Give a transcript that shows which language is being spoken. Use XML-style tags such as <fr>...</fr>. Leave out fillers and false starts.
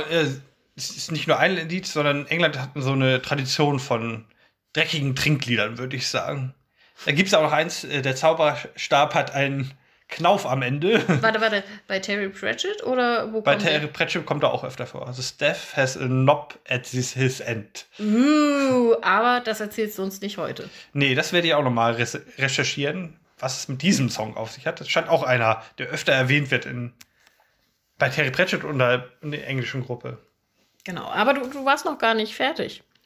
<de>Es ist nicht nur ein Lied, sondern England hat so eine Tradition von dreckigen Trinkliedern, würde ich sagen. Da gibt es auch noch eins, der Zauberstab hat einen Knauf am Ende. Warte, warte, bei Terry Pratchett oder wo Bei kommt Terry der? Pratchett kommt er auch öfter vor.</de> <en>Also, Steph has a knob at his end.</en> <de>Aber das erzählst du uns nicht heute. Nee, das werde ich auch noch mal recherchieren, was es mit diesem Song auf sich hat. Das scheint auch einer, der öfter erwähnt wird bei Terry Pratchett und in der englischen Gruppe. Genau, aber du warst noch gar nicht fertig.</de>